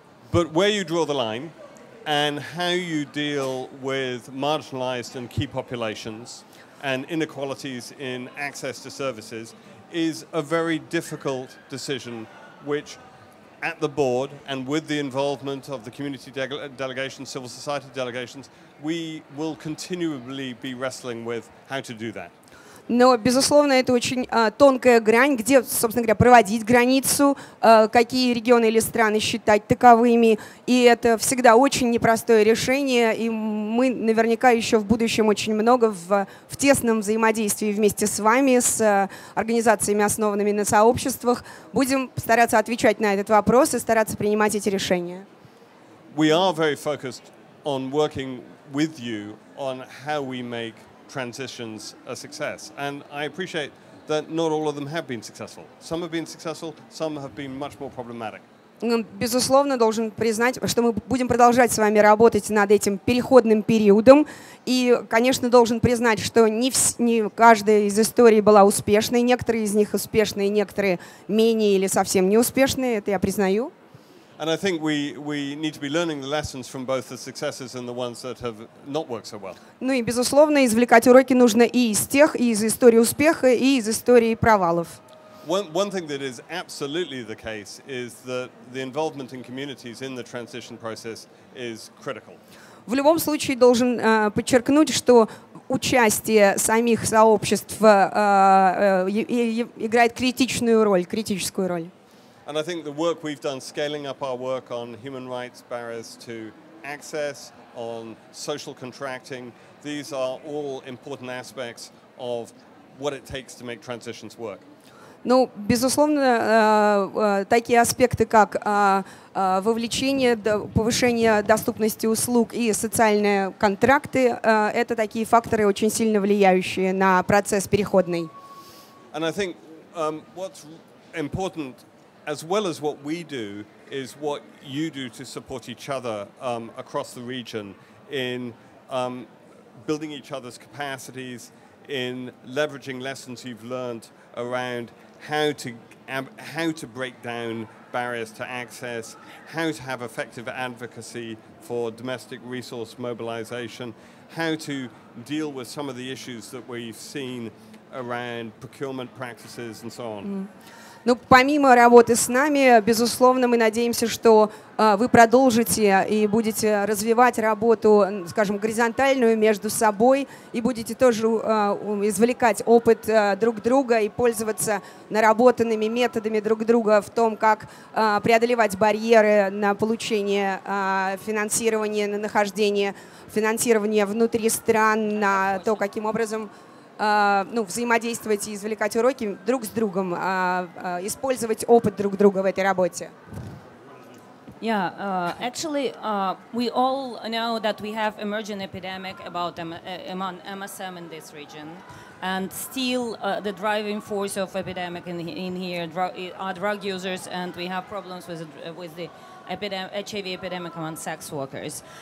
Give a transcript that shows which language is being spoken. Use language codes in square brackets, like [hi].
[en] But where you draw the line and how you deal with marginalized and key populations and inequalities in access to services is a very difficult decision which at the board and with the involvement of the community delegations, civil society delegations, we will continually be wrestling with how to do that. [ru] Но, безусловно, это очень тонкая грань, где, собственно говоря, проводить границу, какие регионы или страны считать таковыми. И это всегда очень непростое решение, и мы наверняка еще в будущем очень много в тесном взаимодействии вместе с вами, с организациями, основанными на сообществах, будем стараться отвечать на этот вопрос и стараться принимать эти решения. [en] We are very focused on working with you on how we make transitions a success, and I appreciate that not all of them have been successful. Some have been successful, some have been much more problematic. [ru] Безусловно, должен признать, что мы будем продолжать с вами работать над этим переходным периодом, и, конечно, должен признать, что не каждая из историй была успешной, некоторые из них успешные, некоторые менее или совсем неуспешные, это я признаю. [en] And I think we need to be learning the lessons from both the successes and the ones that have not worked so well. [ru] Ну и безусловно, извлекать уроки нужно и из тех, и из истории успеха, и из истории провалов. [en] One thing that is absolutely the case is that the involvement in communities in the transition process is critical. [ru] В любом случае должен подчеркнуть, что участие самих сообществ играет критичную роль, критическую роль. [en] And I think the work we've done scaling up our work on human rights barriers to access, on social contracting, these are all important aspects of what it takes to make transitions work. [ru] Ну, безусловно, такие аспекты, как вовлечение, повышение доступности услуг и социальные контракты, это такие факторы, очень сильно влияющие на процесс переходный. [en] And I think what's important as well as what we do, is what you do to support each other across the region in building each other's capacities, in leveraging lessons you've learned around how to break down barriers to access, how to have effective advocacy for domestic resource mobilization, how to deal with some of the issues that we've seen around procurement practices and so on. [ru] Ну, помимо работы с нами, безусловно, мы надеемся, что вы продолжите и будете развивать работу, скажем, горизонтальную между собой, и будете тоже извлекать опыт друг друга и пользоваться наработанными методами друг друга в том, как преодолевать барьеры на получение финансирования, на нахождение финансирования внутри стран, на то, каким образом ну, взаимодействовать и извлекать уроки друг с другом, использовать опыт друг друга в этой работе. [en] Yeah, actually, we all know that we have emerging epidemic about among MSM in this region, and still the driving force of epidemic in here are drug users, and we have problems with the HIV epidemic among sex workers.